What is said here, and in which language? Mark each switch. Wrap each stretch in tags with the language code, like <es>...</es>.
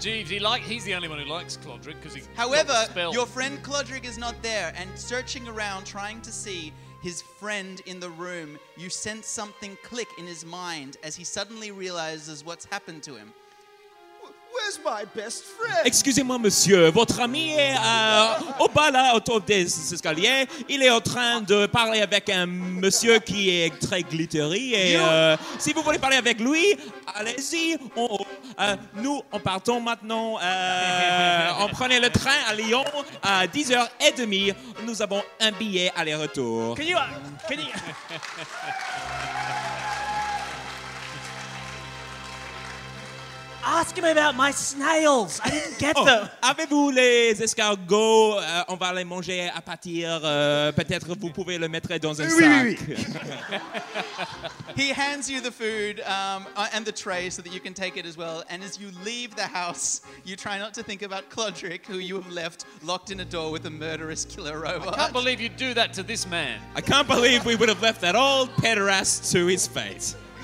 <en>Jeeves, he's the only one who likes Clodric because he. However, your friend Clodric is not there, and searching around trying to see his friend in the room, you sense something click in his mind as he suddenly realizes what's happened to him. Where is my best friend.</en> <fr>Excusez-moi, monsieur. Votre ami est au bas là, autour des escaliers. Il est en train de parler avec un monsieur qui est très glittery. Et si vous voulez parler avec lui, allez-y. Nous, on partons maintenant. On prenait le train à Lyon à 10h30. Nous avons un billet aller-retour.</fr> <en>Can you... Ask him about my snails. I didn't get them.</en> <fr>Avez-vous les escargots? On va les manger à partir. Peut-être vous pouvez le mettre dans un sac.</fr> <en>He hands you the food and the tray so that you can take it as well. And as you leave the house, you try not to think about Clodric, who you have left locked in a door with a murderous killer robot. I can't believe you'd do that to this man. I can't believe we would have left that old pederast to his fate.</en>